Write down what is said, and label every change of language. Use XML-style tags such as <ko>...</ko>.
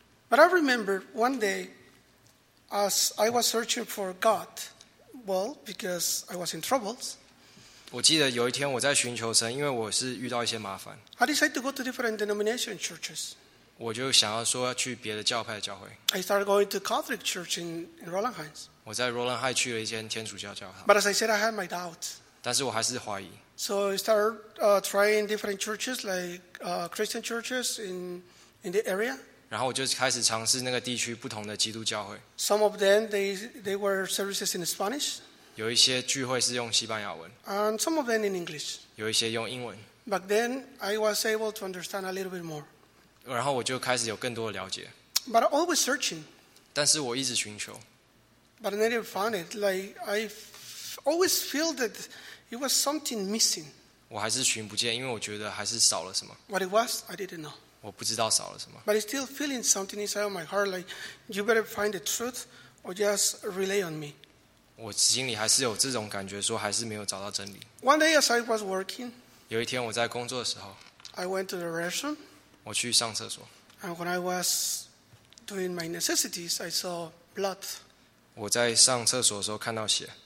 <en>But I remember one day as I was searching for God, well, because I was in troubles。</en> <zh>我记得有一天我在寻求神，因为我是遇到一些麻烦。</zh> <en>I decided to go to different denomination churches。</en> <zh>我就想要说要去别的教派的教会。</zh> <en>I started going to Catholic church in Roland Heights。</en> <zh>我在 Roland High 去了一间天主教教堂。</zh> <en>But as I said, I had my doubts.</en> <zh>但是我还是怀疑。</zh> <en>So I started trying different churches, like Christian churches in the area.</en> <zh>然后我就开始尝试那个地区不同的基督教会。</zh> <en>Some of them they were services in Spanish.</en> <zh>有一些聚会是用西班牙文。</zh> <en>And some of them in English.</en> <zh>有一些用英文。</zh> <en>But then I was able to understand a little bit more.</en> <zh>然后我就开始有更多的了解。</zh> <en>But always searching.</en> <zh>但是我一直寻求。</zh> <en>But I never found it. Like I always feel that it was something missing.</en> <zh>我还是寻不见，因为我觉得还是少了什么。</zh> <en>What it was, I didn't know.</en> <zh>我不知道少了什么。</zh> <en>But I still feeling something inside of my heart. Like you better find the truth, or just rely on me.</en> <zh>我心里还是有这种感觉，说还是没有找到真理。</zh> <en>One day as I was working,</en> <zh>有一天我在工作的时候</zh> <en>，I went to the restroom.</en> <zh>我去上厕所。</zh> <en>And when I was doing my necessities, I saw blood.</en> <zh>我在上厕所的时候看到血</zh>